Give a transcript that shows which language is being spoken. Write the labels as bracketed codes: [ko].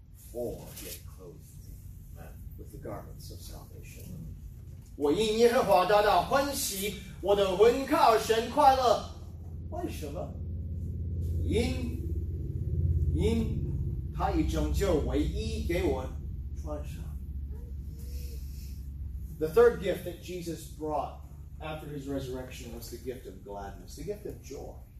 [en] For he hath clothed me with the garments of salvation. [zh] 我因耶和华大大欢喜，我的魂靠神快乐。为什么？因他已拯救，唯一给我穿上。 [en] The third gift that Jesus brought after his resurrection was the gift of gladness, the gift of joy.